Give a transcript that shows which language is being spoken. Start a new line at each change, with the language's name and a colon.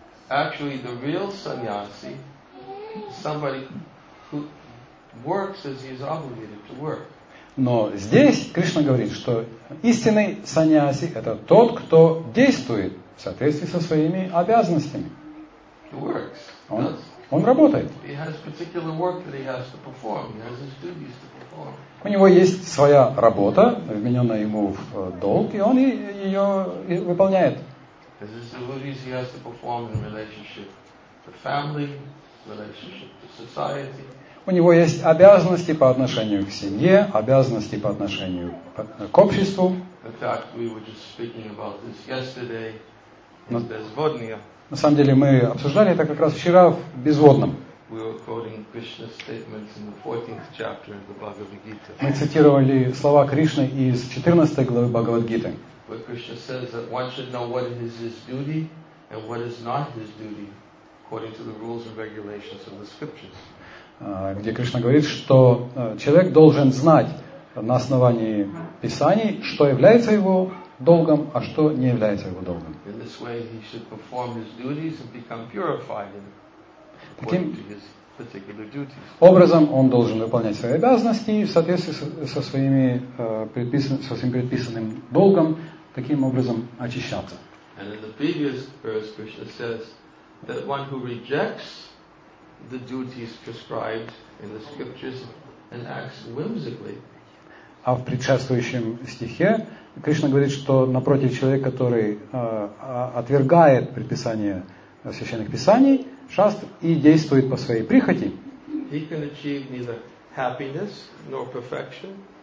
English: Actually, the real sannyasi is somebody who works as he is obligated to work.
Russian: Но здесь Кришна говорит, что истинный саньяси – это тот, кто действует в соответствии со своими обязанностями.
English: He works.
Russian: Он работает.
English: He has particular work that he has to perform. He has his duties to perform.
Russian: У него есть своя работа, вмененная ему в долг, и он ее и выполняет.
English: As his duties he has to perform in relationship to family, relationship to society.
Russian: У него есть обязанности по отношению к семье, обязанности по отношению к обществу.
English: In fact, we were just speaking about this yesterday in Безводния.
Russian: На самом деле мы обсуждали это как раз вчера в Безводном.
English: We were quoting Krishna's statements in the 14th chapter of the Bhagavad Gita.
Russian: Мы цитировали слова Кришны из 14 главы Бхагавад Гиты.
English: But Krishna says that one should know what is his duty and what is not his duty according to the rules and regulations of the scriptures.
Russian: Где Кришна говорит, что человек должен знать на основании писаний, что является его долгом, а что не является его долгом.
English: In this way he should perform his duties and become purified according to his particular duties.
Russian: Образом он должен выполнять свои обязанности в соответствии со своими предписанным долгом, таким образом очищаться.
English: And in the previous verse Krishna says that one who rejects the duties prescribed in the scriptures and acts whimsically.
Russian: А в предшествующем стихе Кришна говорит, что напротив, человек, который отвергает предписание священных писаний, шаст и действует по своей прихоти,
English: he can achieve neither happiness nor perfection